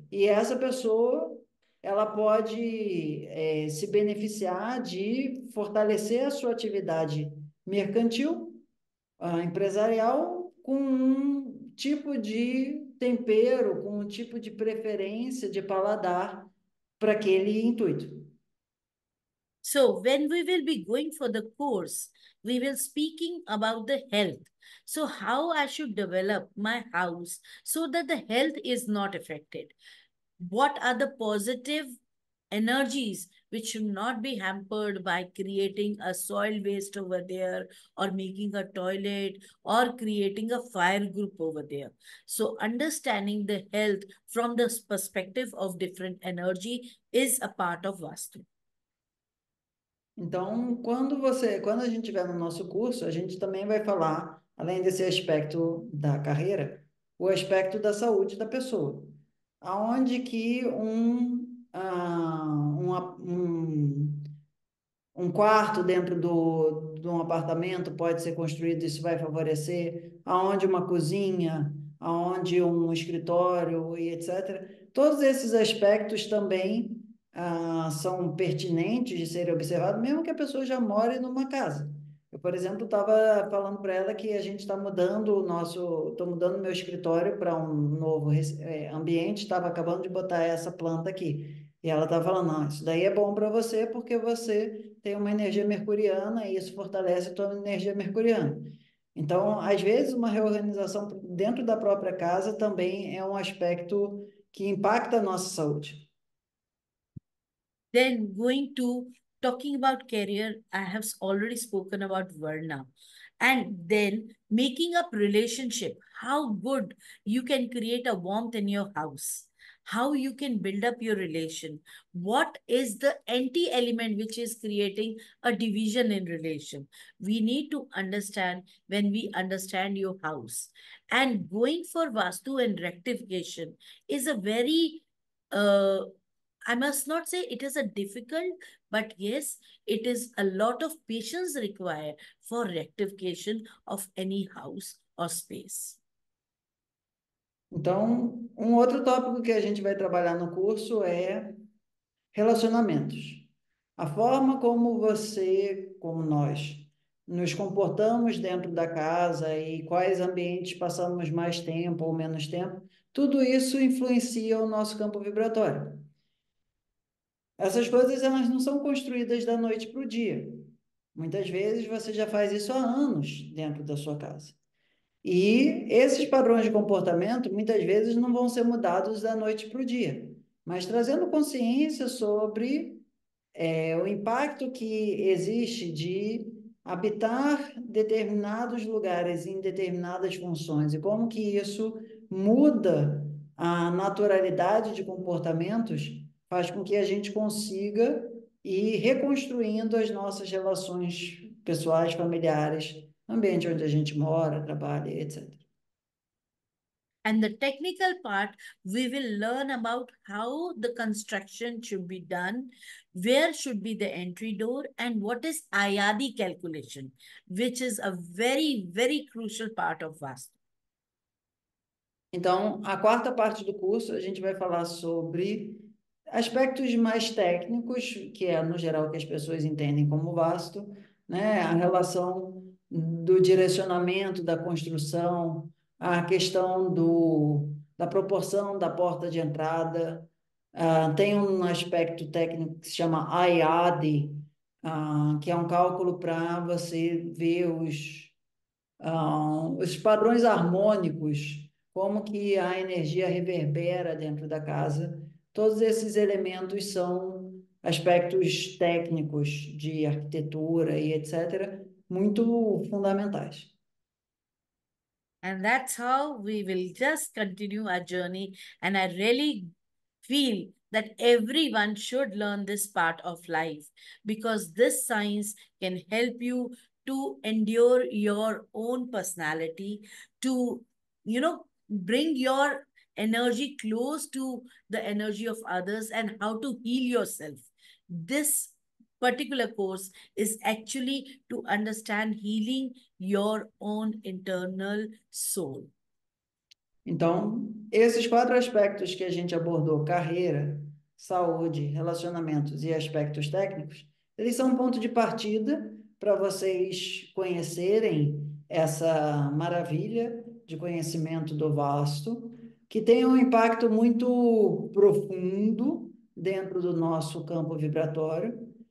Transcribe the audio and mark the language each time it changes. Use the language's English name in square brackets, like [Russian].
[Portuguese] E essa pessoa, ela pode se beneficiar de fortalecer a sua atividade mercantil, empresarial, com um tipo de tempero, com um tipo de preferência de paladar para aquele intuito. [English] So when we will be going for the course, we will speaking about the health. So how I should develop my house so that the health is not affected? What are the positive energies which should not be hampered by creating a soil waste over there, or making a toilet, or creating a fire group over there? So understanding the health from the perspective of different energy is a part of Vastu. [Portuguese] Então, quando a gente tiver no nosso curso, a gente também vai falar, além desse aspecto da carreira, o aspecto da saúde da pessoa. Aonde que um quarto dentro de um apartamento pode ser construído, isso vai favorecer? Aonde uma cozinha? Aonde um escritório e etc.? Todos esses aspectos também são pertinentes de serem observados, mesmo que a pessoa já more numa casa. Eu, por exemplo, estava falando para ela que a gente está mudando o nosso, estou mudando meu escritório para um novo ambiente, estava acabando de botar essa planta aqui. E ela estava falando: não, isso daí é bom para você porque você tem uma energia mercuriana e isso fortalece a tua energia mercuriana. Então, às vezes, uma reorganização dentro da própria casa também é um aspecto que impacta a nossa saúde. [English] Then going to talking about career, I have already spoken about Varna. And then making up relationship, how good you can create a warmth in your house, how you can build up your relation, what is the anti element which is creating a division in relation. We need to understand when we understand your house. And going for Vastu and rectification is a very, I must not say it is a difficult, but yes, it is a lot of patience required for rectification of any house or space. [Portuguese] Então, um outro tópico que a gente vai trabalhar no curso é relacionamentos. A forma como você, como nós, nos comportamos dentro da casa e quais ambientes passamos mais tempo ou menos tempo, tudo isso influencia o nosso campo vibratório. Essas coisas, elas não são construídas da noite para o dia. Muitas vezes você já faz isso há anos dentro da sua casa. E esses padrões de comportamento, muitas vezes, não vão ser mudados da noite para o dia. Mas trazendo consciência sobre o impacto que existe de habitar determinados lugares em determinadas funções e como que isso muda a naturalidade de comportamentos, faz com que a gente consiga ir reconstruindo as nossas relações pessoais, familiares, ambiente onde a gente mora, trabalha, etc. [English] And the technical part, we will learn about how the construction should be done, where should be the entry door, and what is Ayadi calculation, which is a very, very crucial part of Vastu. [Portuguese] Então, a quarta parte do curso, a gente vai falar sobre aspectos mais técnicos, que é, no geral, o que as pessoas entendem como Vastu, né? A relação do direcionamento da construção, a questão da proporção da porta de entrada. Tem um aspecto técnico que se chama IADI, que é um cálculo para você ver os padrões harmônicos. Como que a energia reverbera dentro da casa? Todos esses elementos são aspectos técnicos de arquitetura e etc., muito fundamentais. [English] And that's how we will just continue our journey. And I really feel that everyone should learn this part of life because this science can help you to endure your own personality, to, you know, bring your energy close to the energy of others and how to heal yourself. This particular course is actually to understand healing your own internal soul. [Portuguese] Então, esses quatro aspectos que a gente abordou, carreira, saúde, relacionamentos e aspectos técnicos, eles são um ponto de partida para vocês conhecerem essa maravilha de conhecimento do Vastu, que tem um impacto muito profundo dentro do nosso campo vibratório.